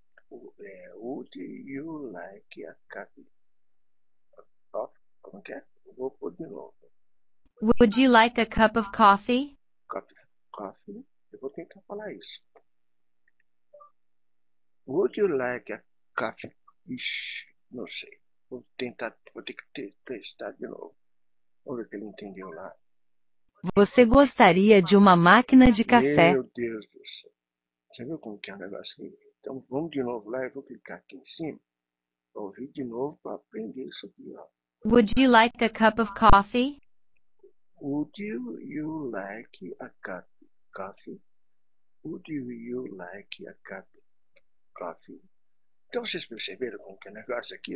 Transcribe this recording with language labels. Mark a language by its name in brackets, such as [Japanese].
[English] Would you like a cup of coffee? [Portuguese] Como que é? Vou pôr de novo. [English] Would you like a cup of coffee? Coffee? [Portuguese] Eu vou tentar falar isso. [English] Would you like a coffee? [Portuguese] Ixi, não sei. Vou tentar, vou ter que testar de novo. Vamos ver o que ele entendeu lá. Você gostaria de uma máquina de café? Meu Deus do céu. Você viu como que é o negócio aqui? Então vamos de novo lá, eu vou clicar aqui em cima. Vou ouvir de novo para aprender isso aqui, ó. [English] Would you like a cup of coffee? Would you like a cup of coffee? Would you like a cup of coffee? [Portuguese] Então vocês perceberam como que é o negócio aqui?